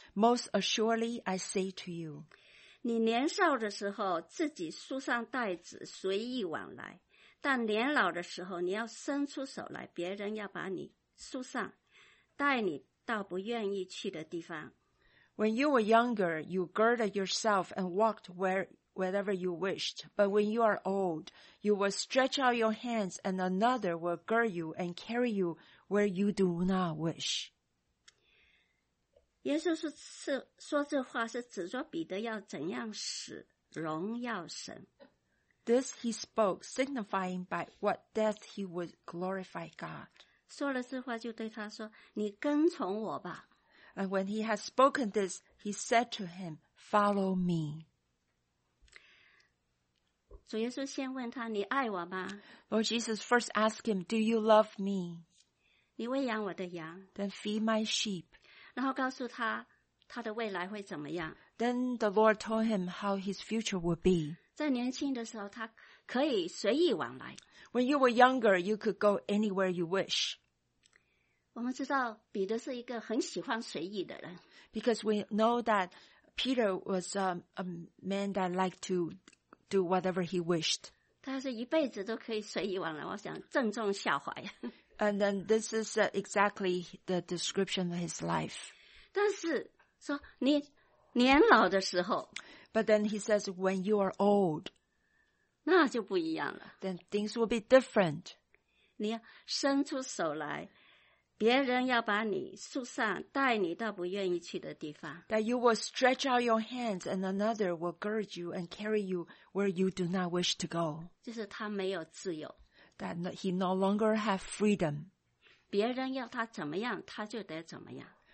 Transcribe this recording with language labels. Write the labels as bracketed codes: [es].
[en] Most assuredly, I say to you." [zh] 你年少的时候自己束上带子随意往来，但年老的时候你要伸出手来，别人要把你束上，带你到不愿意去的地方。 [en] When you were younger, you girded yourself and walked wherever you wished. But when you are old, you will stretch out your hands and another will gird you and carry you where you do not wish. [zh] 耶稣说这话是指着彼得要怎样死荣耀神。 [en] This he spoke, signifying by what death he would glorify God. [zh] 说了这话就对他说，你跟从我吧。 [en] And when he had spoken this, he said to him, follow me. [zh] 主耶稣先问他，你爱我吗？ [en] Lord Jesus first asked him, do you love me? [zh] 你喂养我的羊。 [en] Then feed my sheep. [zh] 然后告诉他他的未来会怎么样。 [en] Then the Lord told him how his future would be. [zh] 在年轻的时候他可以随意往来。 [en] When you were younger, you could go anywhere you wish. [zh] 我们知道彼得是一个很喜欢随意的人。 [en] Because we know that Peter was a man that liked to do whatever he wished. [zh] 他是一辈子都可以随意往来，我想正中下怀。 [en] And then this is exactly the description of his life. [zh] 但是说你年老的时候， [en] But then he says, when you are old, [zh] 那就不一样了。 [en] Then things will be different. [zh] 你要伸出手来，别人要把你束上，带你到不愿意去的地方。 [en] That you will stretch out your hands and another will gird you and carry you where you do not wish to go. [zh] 就是他没有自由。 [en] That he no longer have freedom. [zh] 别人要他怎么样，他就得怎么样。